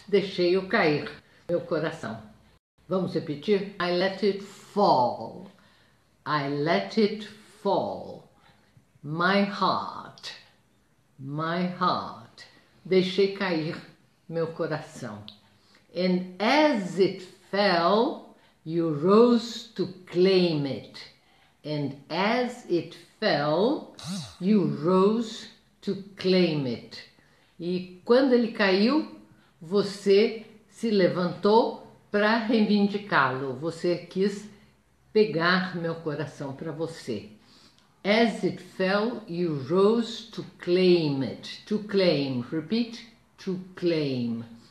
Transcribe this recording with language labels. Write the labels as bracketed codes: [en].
[pt] Deixei eu cair, meu coração. Vamos repetir? [en] I let it fall. I let it fall. My heart. My heart. [pt] Deixei cair meu coração. [en] And as it fell, you rose to claim it. And as it fell, you rose to claim it. [pt] E quando ele caiu, você se levantou para reivindicá-lo. Você quis pegar meu coração para você. [en] As it fell, you rose to claim it. To claim. Repeat. To claim.